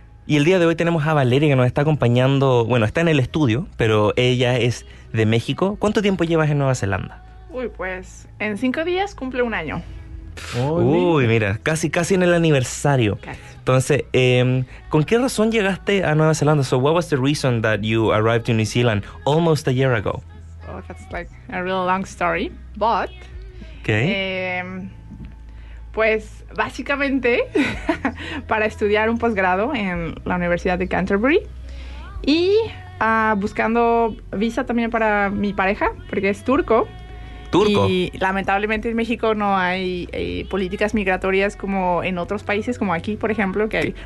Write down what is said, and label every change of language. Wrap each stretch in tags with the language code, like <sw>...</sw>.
<es>Y el día de hoy tenemos a Valeria, que nos está acompañando. Bueno, está en el estudio, pero ella es de México. ¿Cuánto tiempo llevas en Nueva Zelanda? Uy, pues en 5 días cumple 1 año. Uy, mira, casi en el aniversario. Entonces, ¿con qué razón llegaste a Nueva Zelanda?</es> <en>So, what was the reason that you arrived in New Zealand almost a year ago? Oh, that's like a real long story, but... Okay.</en> <es>Pues, básicamente, para estudiar un posgrado en la Universidad de Canterbury y buscando visa también para mi pareja, porque es turco. ¿Turco? Y lamentablemente en México no hay políticas migratorias como en otros países, como aquí, por ejemplo, que hay...</es>